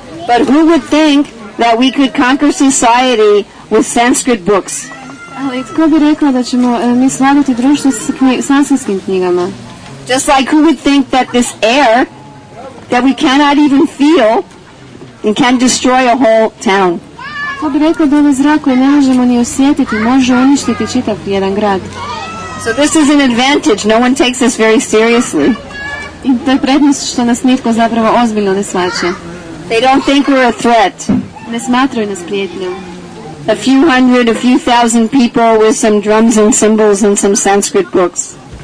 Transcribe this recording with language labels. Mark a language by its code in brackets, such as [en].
[en] But who would think that we could conquer society with Sanskrit books? [hr] Ali tko bi rekao da ćemo mi svladati društvo s sanskritskim knjigama? [en] Just like who would think that this air that we cannot even feel and can destroy a whole town? [hr] Tko bi rekao da ovaj zrak koji ne možemo ni osjetiti može uništiti čitav jedan grad? [en] So this is an advantage. No one takes this very seriously. [hr] I to je prednost što nas nitko zapravo ozbiljno ne shvaća. [en] They don't think we're a threat. [hr] Ne smatraju nas prijetnjom. [en] A few hundred, a few thousand people with some drums and cymbals and some Sanskrit books.